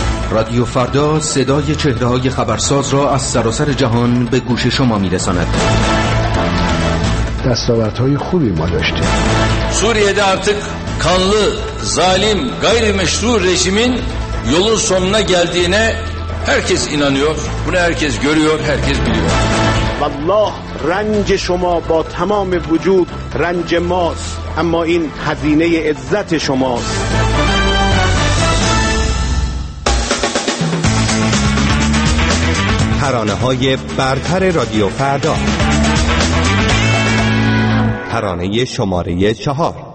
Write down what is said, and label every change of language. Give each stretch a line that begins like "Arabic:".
Persian: رادیو فردا صدای چهره های خبرساز را از سراسر جهان به گوش شما می رساند. دستاورد های خوبی ما داشته.
Turkish: سوریه‌ده artık kanlı, zalim, gayrimeşru rejimin yolun sonuna geldiğine herkes inanıyor. Bunu herkes görüyor, herkes biliyor.
Persian: والله رنج شما با تمام وجود رنج ماست. اما این هزینه عزت شماست. ترانه های برتر رادیو فردا، ترانه شماره 4.